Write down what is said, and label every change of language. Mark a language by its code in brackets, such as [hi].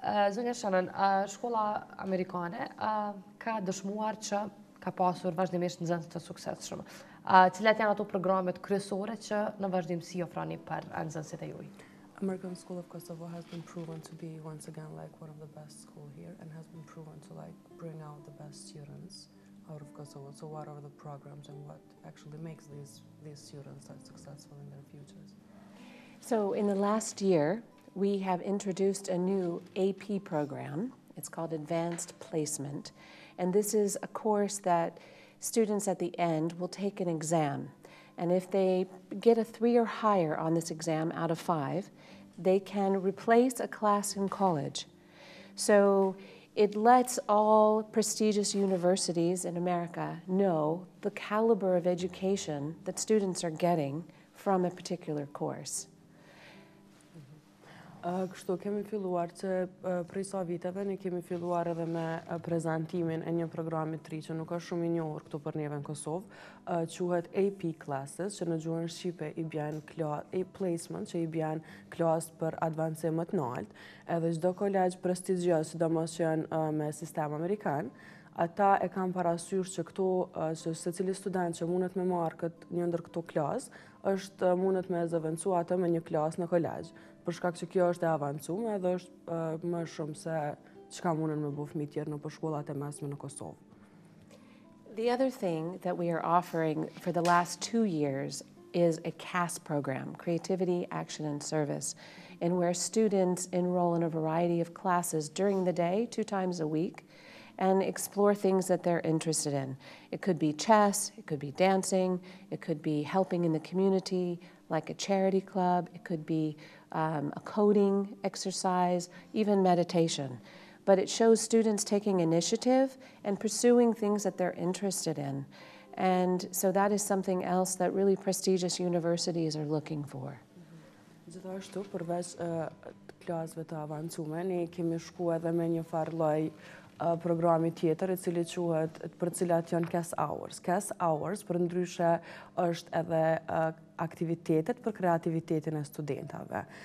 [sq] Zonja Shannon, shkolla amerikane ka dëshmuar që ka pasur vazhdimisht nxënës të suksesshëm. Cilat janë ato programet kryesore që në vazhdimësi ofroni për nxënësit e juaj? [en] American School of Kosovo has been proven to be once again like one of the best schools here and has been proven to like bring out the best students out of Kosovo. So what are the programs and what actually makes these students that successful in their futures? So in the last year, we have introduced a new AP program. It's called Advanced Placement. And this is a course that students at the end will take an exam. And if they get a 3 or higher on this exam out of 5, they can replace a class in college. So it lets all prestigious universities in America know the caliber of education that students are getting from a particular course. [sq] Kështu, kemi filluar që prej sa viteve ne kemi filluar edhe me prezentimin e një programit të ri që nuk është shumë I njohur këtu për neve në Kosovë, quhet AP Classes, që në gjuhën Shqipe I bjen placement, që I bjen klasë për advancim më të nalt, edhe çdo kolegj prestigjios, sidomos që janë me sistem amerikan, ata e kanë parasysh që këtu, që se cili student që mundet me marrë këtë një ndër këto klasë, është mundet me zëvëncu atë me një klasë në kolegj. Për shkak që kjo është e avancume dhe është më shumë se çka mundën me bëf mi tjerë në përshkollat e mesme në Kosovë. [en] The other thing that we are offering for the last 2 years is a CAS program, Creativity, Action and Service, in where students enroll in a variety of classes during the day, 2 times a week, and explore things that they're interested in. It could be chess, it could be dancing, it could be helping in the community, like a charity club, it could be a coding exercise, even meditation. But it shows students taking initiative and pursuing things that they're interested in. And so that is something else that really prestigious universities are looking for. [sq] Gjithashtu, përveç klasëve të avancume, ne kemi shku edhe me një farë lloj programi tjetër I cili quhet për cilat janë CAS Hours. CAS Hours për ndryshe është edhe aktivitetet për kreativitetin e studentave.